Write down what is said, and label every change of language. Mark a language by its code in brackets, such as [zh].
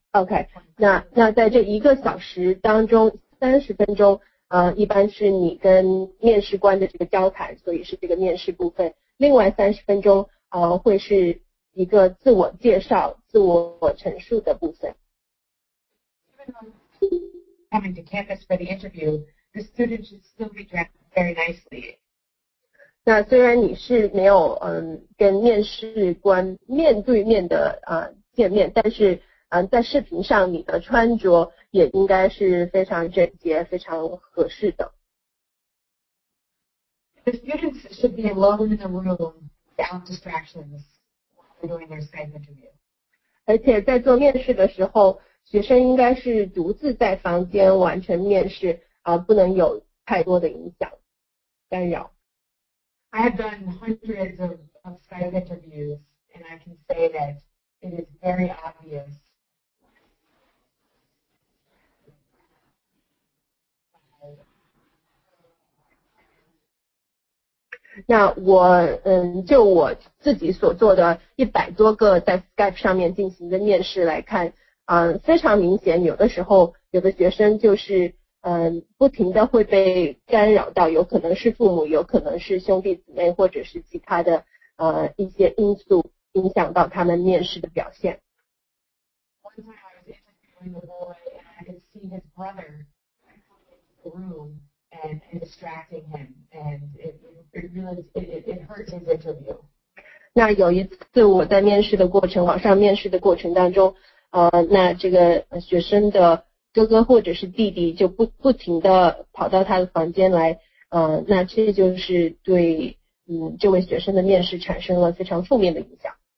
[zh] Okay, 那在这一个小时当中30分钟一般是你跟面试官的这个交谈，所以是这个面试部分，另外30分钟会是一个自我介绍、自我陈述的部分。 [en] Even though coming to campus for the interview, the student should still be dressed very nicely. [zh] 那虽然你是没有跟面试官面对面的见面，但是在视频上你的穿着也应该是非常整洁非常合适的。 [en] The students should be alone in the room without distractions when doing their site interview. [zh] 而且在做面试的时候，学生应该是独自在房间完成面试，不能有太多的影响干扰。 [en] I have done hundreds of Skype interviews, and I can say that it is very obvious. [zh] Now, 就我自己所做的100多个在 Skype 上面进行的面试来看，非常明显，有的时候有的学生就是不停的会被干扰到，有可能是父母，有可能是兄弟姊妹，或者是其他的一些因素影响到他们面试的表现。 [en] One time I was interviewing a boy and I could see his brother in the room and distracting him, and it hurt his interview. [zh] 那有一次我在面试的过程，网上面试的过程当中，那这个学生的哥哥或者是弟弟就不停地跑到他的房间来，那这就是对这位学生的面试产生了非常负面的影响。